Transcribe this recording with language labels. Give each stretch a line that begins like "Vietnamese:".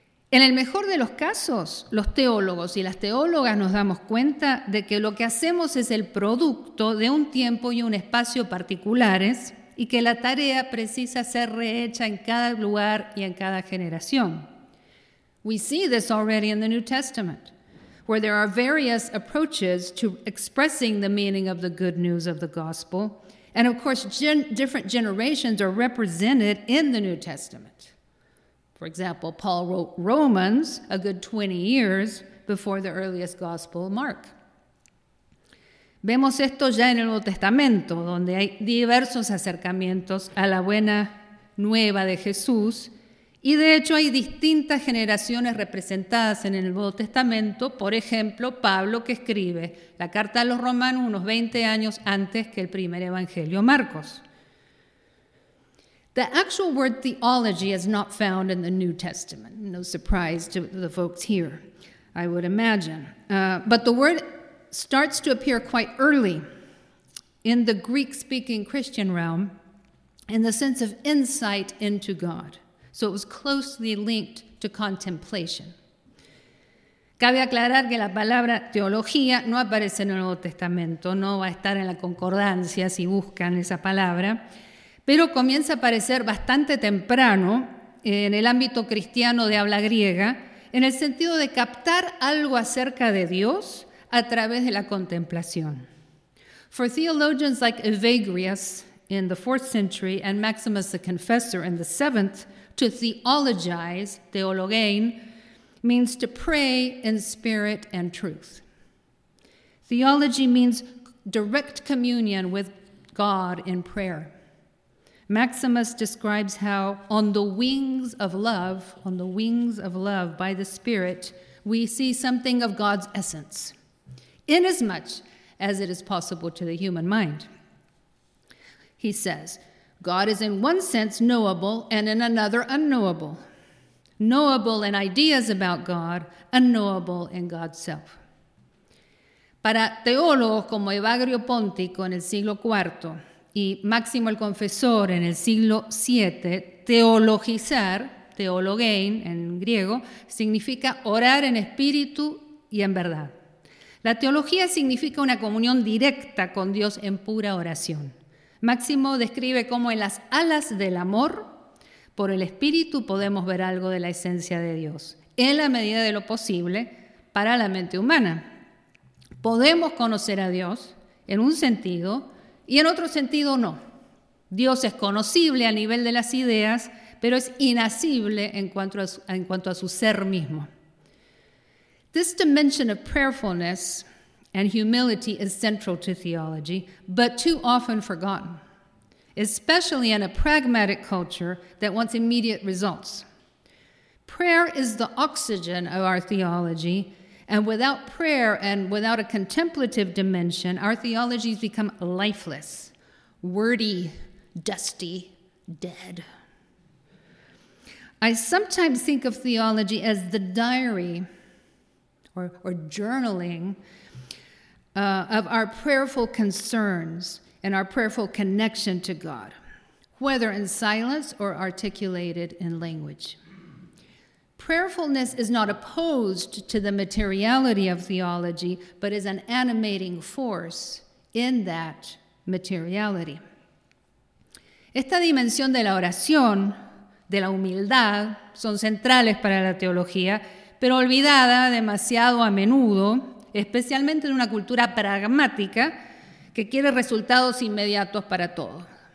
Spanish: En el mejor de los casos, los teólogos y las teólogas nos damos cuenta de que lo que hacemos es el producto de un tiempo y un espacio particulares y que la tarea precisa ser rehecha en cada lugar y en cada generación.
English: We see this already in the New Testament, where there are various approaches to expressing the meaning of the good news of the gospel And of course, different generations are represented in the New Testament. For example, Paul wrote Romans a good 20 years before the earliest gospel, Mark.
Spanish: Vemos esto ya en el Nuevo Testamento, donde hay diversos acercamientos a la buena nueva de Jesús. Y de hecho hay distintas generaciones representadas en el Nuevo Testamento. Por ejemplo, Pablo, que escribe la carta a los romanos unos 20 años antes que el primer evangelio, Marcos.
English: The actual word theology is not found in the New Testament. No surprise to the folks here, I would imagine. But the word starts to appear quite early in the Greek-speaking Christian realm in the sense of insight into God. So it was closely linked to contemplation.
Spanish: Cabe aclarar que la palabra teología no aparece en el Nuevo Testamento, no va a estar en la concordancia si buscan esa palabra, pero comienza a aparecer bastante temprano en el ámbito cristiano de habla griega, en el sentido de captar algo acerca de Dios a través de la contemplación.
English: For theologians like Evagrius in the 4th century and Maximus the Confessor in the 7th, to theologize, theologein, means to pray in spirit and truth. Theology means direct communion with God in prayer. Maximus describes how on the wings of love by the Spirit, we see something of God's essence, inasmuch as it is possible to the human mind. He says, God is in one sense knowable and in another unknowable. Knowable in ideas about God, unknowable in God's self.
Spanish: Para teólogos como Evagrio Póntico en el siglo IV y Máximo el Confesor en el siglo VII, teologizar, teologein en griego, significa orar en espíritu y en verdad. La teología significa una comunión directa con Dios en pura oración. Máximo describe cómo en las alas del amor, por el espíritu, podemos ver algo de la esencia de Dios, en la medida de lo posible, para la mente humana. Podemos conocer a Dios en un sentido y en otro sentido no. Dios es conocible a nivel de las ideas, pero es inasible en cuanto a su ser mismo.
English: This dimension of prayerfulness and humility is central to theology, but too often forgotten, especially in a pragmatic culture that wants immediate results. Prayer is the oxygen of our theology, and without prayer and without a contemplative dimension, our theologies become lifeless, wordy, dusty, dead. I sometimes think of theology as the diary or journaling of our prayerful concerns and our prayerful connection to God, whether in silence or articulated in language. Prayerfulness is not opposed to the materiality of theology, but is an animating force in that materiality.
Spanish: Esta dimensión de la oración, de la humildad, son centrales para la teología, pero olvidada demasiado a menudo, especialmente en una cultura pragmática que quiere resultados inmediatos para todo.